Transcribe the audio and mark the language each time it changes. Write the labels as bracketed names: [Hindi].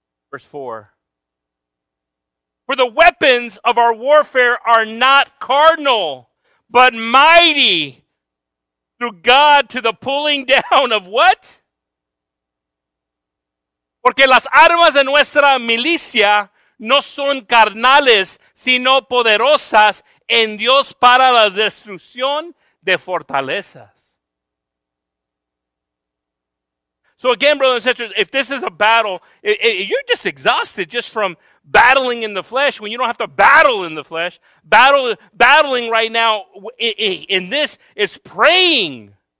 [English] Verse 4. For the weapons of our warfare are not carnal, but mighty through God to the pulling down of what? [Spanish] Porque las armas de nuestra milicia no son carnales, sino poderosas en Dios para la destrucción de fortalezas. [English] So again, brothers and sisters, if this is a battle, you're just exhausted just from battling in the flesh when you don't have to battle in the flesh. Battling right now in this is praying.